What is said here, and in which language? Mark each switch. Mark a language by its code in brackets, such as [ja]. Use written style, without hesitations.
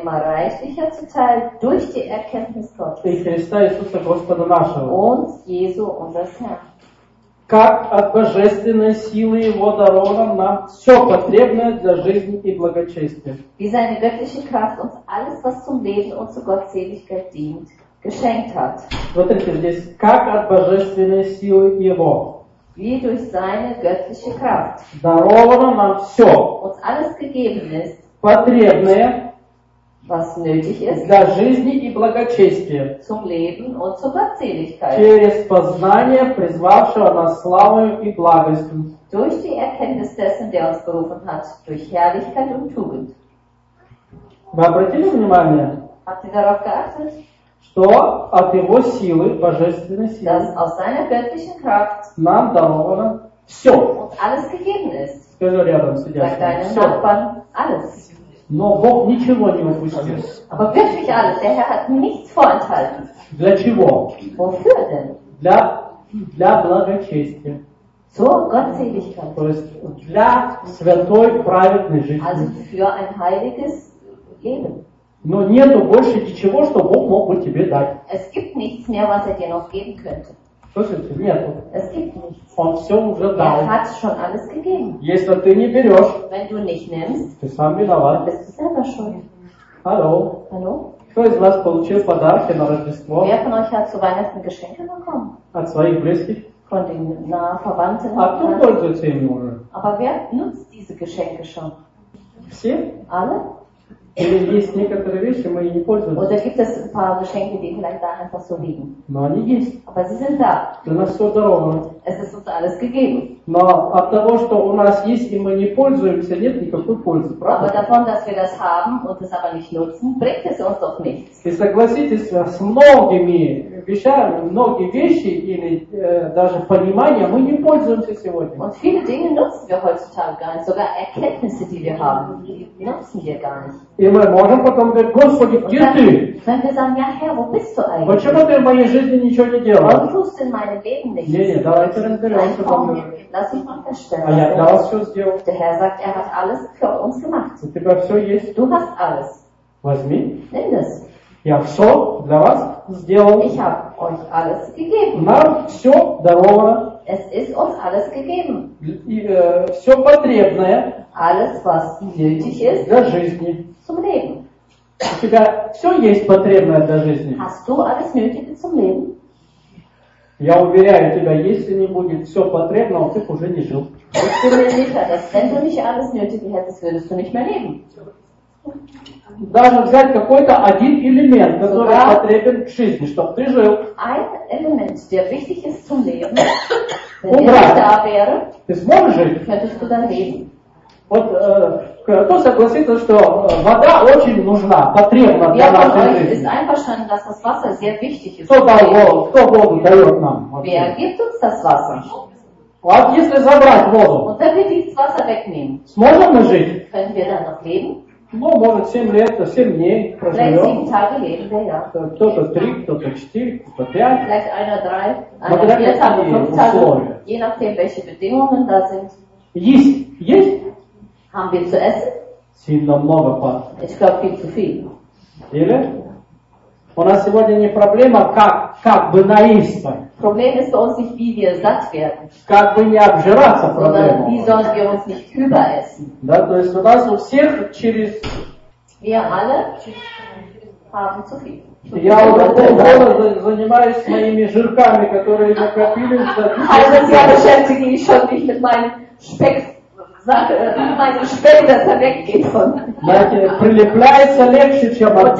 [de] immer reichlicher zuteil durch die Erkenntnis Gottes. [ru] Христа, Иисуса, Господа нашего. [de] Und Jesu, unser Herr. [ru] Как от божественной силы Его даровано нам все потребное для жизни и благочестия. [de] Wie seine göttliche Kraft uns alles, was zum Leben und zur Gottseligkeit dient, geschenkt hat. [ru] Смотрите здесь, как от божественной силы Его. [de] Wie durch seine göttliche Kraft [ru] даровано нам все, [de] uns alles gegeben ist, [ru] потребное, [de] was nötig ist, [ru] для жизни и благочестия, [de] zum Leben und zur Gottseligkeit, [ru] через познание, призвавшего нас славою и благостью, [de] durch die Erkenntnis dessen, der uns berufen hat, durch Herrlichkeit und Tugend. [ru] Вы обратили внимание? [de] Habt ihr darauf geachtet? [ru] Что от Его силы, Божественной силы, [de] das aus seiner göttlichen Kraft [ru] нам даровано все. [de] Und alles gegeben ist. [ru] Скажи рядом сидящим, все. Но Бог ничего не упустил. [de] Aber wirklich alles. Der Herr hat nichts vorenthalten. [ru] Для чего? [de] Wofür denn? [ru] Для благочестия. [de] Zur Gottseligkeit. [ru] То есть для святой праведной жизни. [de] Also für ein heiliges Leben. [ru] Но нету больше ничего, что Бог мог бы тебе дать. [de] Es gibt nichts mehr, was er dir noch geben könnte. [ru] Слышите, нету. [de] Es gibt nichts. [ru] Он все уже дал. [de] Er hat schon alles gegeben. [ru] Если ты не берешь, [de] wenn du nicht nimmst, [ru] ты сам виноват. [de] Bist du selber schuld. Hallo. Hallo. [ru] Кто из вас получил подарки на Рождество? [de] Wer von euch hat zu Weihnachten Geschenke bekommen? [ru] От своих близких? [de] Von den nahen Verwandten. [ru] А кто пользуется ими уже? [de] Aber wer nutzt diese Geschenke schon? [ru] Все? [de] Alle? [ru] Или есть некоторые вещи, мы не пользуемся. [de] Oder gibt es ein paar Geschenke, die vielleicht da einfach so liegen. [ru] Но они есть. [de] Aber sie sind da. [ru] Для нас все даровано. [de] Es ist uns alles gegeben. [ru] Но от того, что у нас есть и мы не пользуемся, нет никакой пользы, правда? [de] Aber davon, dass wir das haben und es aber nicht nutzen, bringt es uns doch nichts. [ru] И согласитесь, с многими вещами, многие вещи или даже понимание мы не пользуемся сегодня. [de] Und viele Dinge nutzen wir heutzutage gar nicht. Sogar Erkenntnisse, die wir haben, die nutzen wir gar nicht. [ru] И мы можем потом говорить, Господи, где [de] dann, [ru] ты? [de] Sagen, ja, Herr, wo bist du eigentlich? [ru] Почему ты в моей жизни ничего не делал? [de] Warum tust du in meinem Leben nichts? [ru] Не, давайте разберемся. [de] Lass mich mal feststellen. [ru] А я для вас все сделал. [de] Der Herr sagt, er hat alles für uns gemacht. [ru] У тебя все есть. [de] Du hast alles. [ru] Возьми. [de] Nimm das. [ru] Я все для вас сделал. [de] Ich habe euch alles gegeben. [ru] Нам все даровано. [de] Es ist uns alles gegeben. [ru] И, все потребное. [de] Alles, was nötig ist. [ru] Для жизни. [de] Zum Leben. [ru] У тебя все есть потребное для жизни. [de] Hast du alles nötige zum Leben? [ru] Я уверяю тебя, если не будет все потребного, ты уже не жил. [de] Ich bin mir sicher, dass wenn du nicht alles Nötige hättest, würdest du nicht mehr leben. [ru] Даже взять какой-то один элемент, который so, потребен к жизни, чтобы ты жил. [de] Ein Element, der wichtig ist zum Leben. [ru] Убрать. [de] Da wäre, [ru] ты сможешь жить? [de] Könntest du dann leben? [ru] Вот кто согласится, что вода очень нужна, потребна для нашей жизни? [de] Wer von euch ist einverstanden, dass das Wasser sehr wichtig ist? [ru] Кто дал воду? Кто воду дает нам? [de] Wer gibt uns das Wasser? [ru] Вот если забрать воду, [de] und wenn wir dieses Wasser wegnehmen, [ru] сможем мы жить? [de] Können wir dann noch leben? [ru] Ну, может, 7 лет, 7 дней проживем. Кто-то 3, кто-то 4, кто-то 5. [de] Vielleicht einer 3, einer 4, 5 Tage. Je nachdem, welche Bedingungen da sind. [ru] Есть, есть. [de] Haben wir zu essen? [ru] Сильно много, Пат. [de] Ich glaube, viel zu viel. [ru] Или? У нас сегодня не проблема, как бы наесться. [de] Problem ist uns nicht, wie wir satt werden. [ru] Как бы не обжираться проблема. [de] Sondern wie sollen wir uns nicht überessen. [ru] Да, то есть у нас у всех через... [de] Wir alle haben zu viel. [ru] Я уже полгода занимаюсь своими жирками, которые накопились. [de] Also [ru] я [de] beschäftige mich schon nicht mit meinem Speck. [ru] Знаете, прилепляется легче, чем